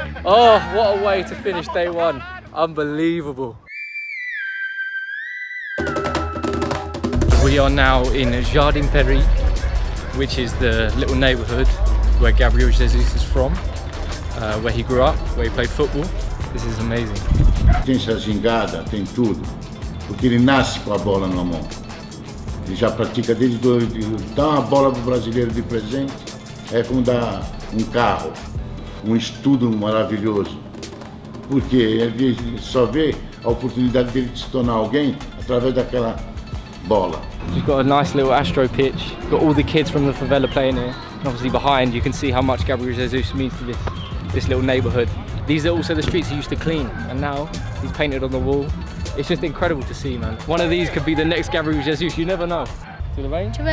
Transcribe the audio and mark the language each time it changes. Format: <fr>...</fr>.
<en>Oh, what a way to finish day one. Unbelievable. We are now in Jardim Peri, which is the little neighborhood where Gabriel Jesus is from, where he grew up, where he played football. This is amazing.</en> <pt>Tem essa gingada, tem tudo. Porque ele nasce com a bola na mão. Ele já pratica desde dois anos. Dá uma bola pro brasileiro de presente, é como dar um carro. Um estudo maravilhoso, porque ele só vê a oportunidade dele de se tornar alguém através daquela bola.</pt> <en>You've got a nice little astro pitch. You've got all the kids from the favela playing here. And obviously behind, you can see how much Gabriel Jesus means to this little neighborhood. These are also the streets he used to clean, and now he's painted on the wall. It's just incredible to see, man. One of these could be the next Gabriel Jesus. You never know. To the rain.</en>